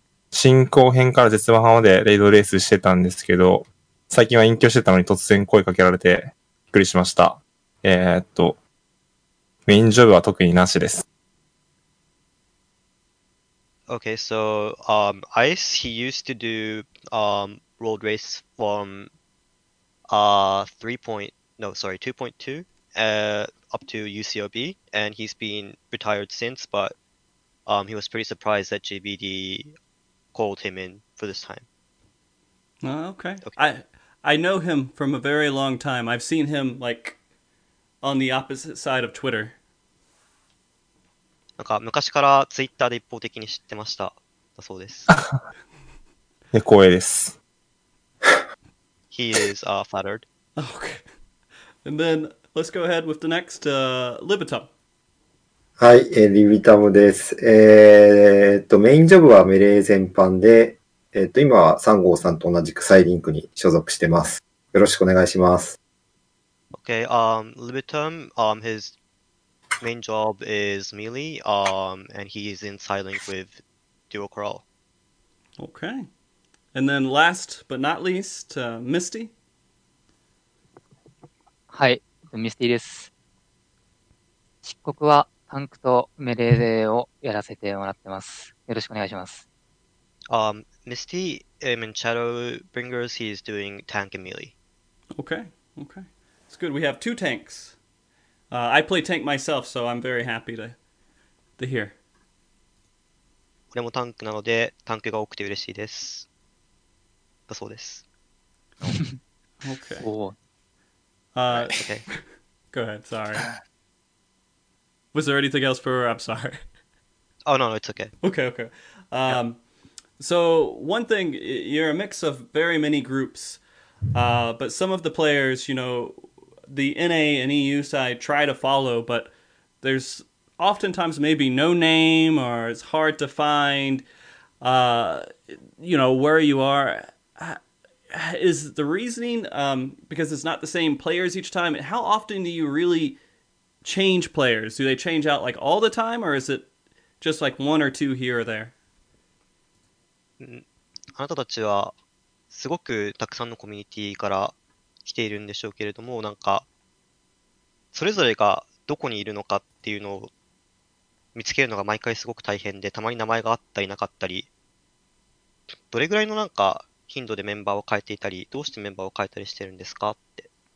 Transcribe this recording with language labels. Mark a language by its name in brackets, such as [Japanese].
[Japanese] 進行編から絶望編までレイドレースしてたんですけど、最近は隠居してたのに突然声かけられてびっくりしました。メインジョブは特になしです。 [English] Okay, so Ice, he used to do road race from 2.2 up to UCOB, and he's been retired since, but he was pretty surprised that GBD called him in for this time. Okay. I know him from a very long time. I've seen him, like, on the opposite side of Twitter. [Japanese] なんか昔からツイッターで一方的に知ってましただそうです。で光栄です。 [English] He is flattered. Okay. And then let's go ahead with the next Libitum. [Japanese] はい、Libitumです。メインジョブはメレー全般で、今は三号さんと同じくサイリンクに所属してます。よろしくお願いします。 [English] Okay. Libitum. His main job is melee, and he is in Psylink with Duo Crawl. Okay. And then last but not least, Misty. [Japanese] はい、Misty です。漆黒はタンクとメレーをやらせてもらってます。よろしくお願いします。 [English] Misty, in Shadowbringers, he is doing tank and melee. Okay, okay. It's good. We have two tanks. I play tank myself, so I'm very happy to hear. [Japanese] 俺もタンクなので、タンクが多くて嬉しいです。だそうです。 [English] Okay. okay. Go ahead, sorry. Was there anything else for her? I'm sorry. Oh, no, it's okay. Okay, okay. So, one thing, you're a mix of very many groups, but some of the players, you know... The NA and EU side try to follow, but there's oftentimes maybe no name or it's hard to find, you know, where you are. Is the reasoning, because it's not the same players each time, how often do you really change players? Do they change out like all the time or is it Just like one or two here or there. [Japanese] あなたたちはすごくたくさんのコミュニティから来ているんでしょうけれども、なんかそれぞれがどこにいるのかっていうのを見つけるのが毎回すごく大変で、たまに名前があったりなかったり、どれぐらいのなんか頻度でメンバーを変えていたり、どうしてメンバーを変えたりしてるんですかって。